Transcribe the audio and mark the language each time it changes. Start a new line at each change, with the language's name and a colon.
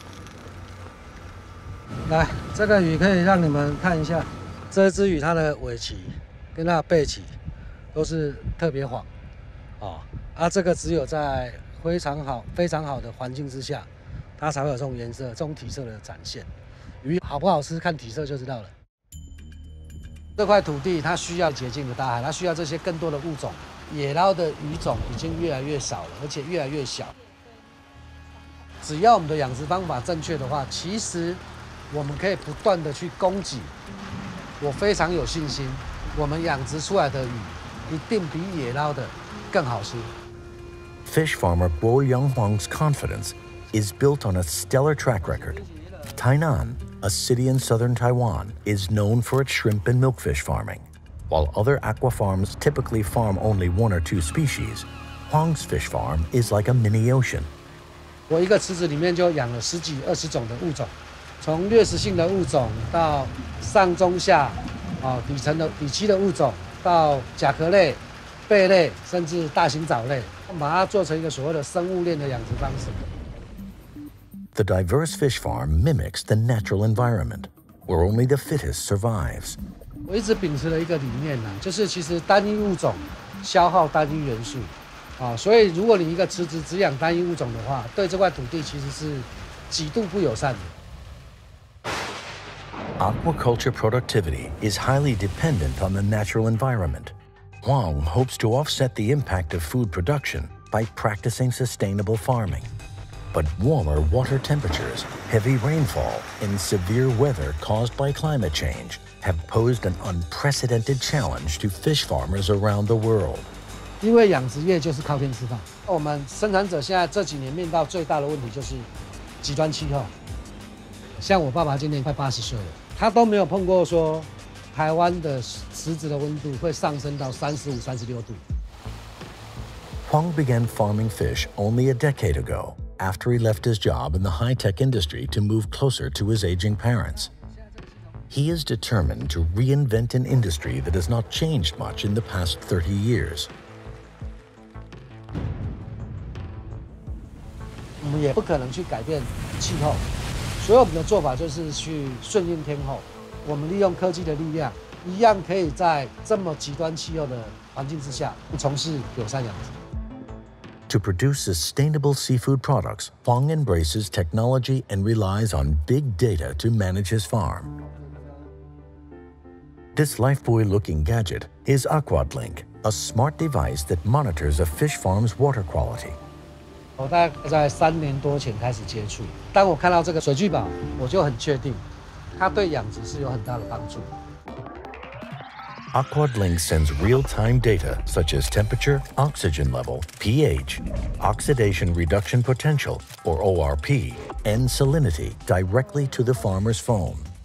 English: Here, this fish can let you see. This fish, its tail, and its back are very soft. Oh, and this is only in very good conditions, it will show this color, this color. The fish is good or not, you can see the color.
Chinese: 这块土地它需要洁净的大海，它需要这些更多的物种。野捞的鱼种已经越来越少了，而且越来越小。只要我们的养殖方法正确的话，其实我们可以不断的去供给。我非常有信心，我们养殖出来的鱼一定比野捞的更好吃。
English: Fish farmer Bo Young Huang's confidence is built on a stellar track record. Tainan. A city in southern Taiwan is known for its shrimp and milkfish farming. While other aqua farms typically farm only one or two species, Huang's fish farm is like a mini ocean.
Chinese: 我一个池子里面就养了十几二十种的物种，从掠食性的物种到上中下，底层的底栖的物种到甲壳类、贝类，甚至大型藻类，把它做成一个所谓的生物链的养殖方式。
English: The diverse fish farm mimics the natural environment, where only the fittest survives.
Chinese: 我一直秉持了一个理念呢，就是其实单一物种消耗单一元素，所以如果你一个池子只养单一物种的话，对这块土地其实是极度不友善的。
English: Aquaculture productivity is highly dependent on the natural environment. Huang hopes to offset the impact of food production by practicing sustainable farming. But warmer water temperatures, heavy rainfall, and severe weather caused by climate change have posed an unprecedented challenge to fish farmers around the world.
Chinese: 因为养殖业就是靠天吃饭。我们生产者现在这几年面到最大的问题就是极端气候。像我爸爸今年快80岁了，他都没有碰过说台湾的池子的温度会上升到35-36度。
English: Huang began farming fish only a decade ago. After he left his job in the high-tech industry to move closer to his aging parents. He is determined to reinvent an industry that has not changed much in the past 30 years. We are not going to change the climate.
Chinese: 所以我们的做法就是去顺应天候，我们利用科技的力量，一样可以在这么极端气候的环境之下从事友善养殖。
English: To produce sustainable seafood products, Huang embraces technology and relies on big data to manage his farm. This LifeBuoy-looking gadget is AquaLink, a smart device that monitors a fish farm's water quality.
Chinese: 我大概在三年多前开始接触，当我看到这个水聚宝，我就很确定，它对养殖是有很大的帮助。
English: AquaLink sends real-time data such as temperature, oxygen level, pH, oxidation reduction potential, or ORP, and salinity directly to the farmer's phone.